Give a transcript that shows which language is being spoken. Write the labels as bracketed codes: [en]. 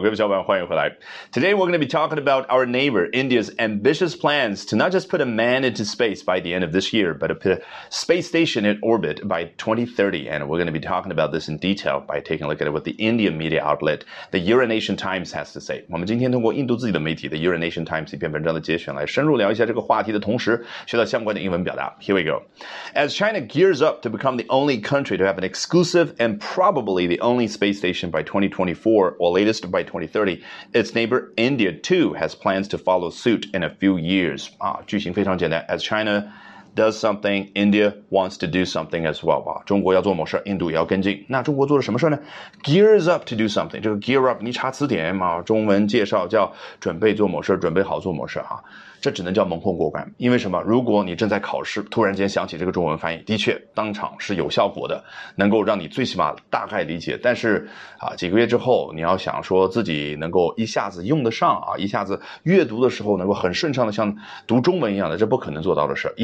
[zh] 各位小伙伴欢迎回来。 [en] Today we're going to be talking about our neighbor India's ambitious plans to not just put a man into space by the end of this year, but to put a space station in orbit by 2030. And we're going to be talking about this in detail by taking a look at what the Indian media outlet, the Eurasian Times, has to say. [zh] 我们今天通过印度自己的媒体 the Eurasian Times 一篇文章的节选来深入聊一下这个话题的同时学到相关的英文表达。 [en] Here we go. As China gears up to become the only country to have an exclusive and probably the only space station by 2024, or latest by 2030, its neighbor India too has plans to follow suit in a few years. [zh] 剧情非常简单 [en] as China does something, India wants to do something as well. [zh] 中国要做某事印度也要跟进。那中国做了什么事呢 [en] Gears up to do something. [zh] 这个 gear up, 你查词典嘛中文介绍叫准备做某事准备好做某事啊。这只能叫蒙混过关。因为什么如果你正在考试突然间想起这个中文翻译的确当场是有效果的能够让你最起码大概理解。但是啊几个月之后你要想说自己能够一下子用得上啊一下子阅读的时候能够很顺畅的像读中文一样的这不可能做到的事。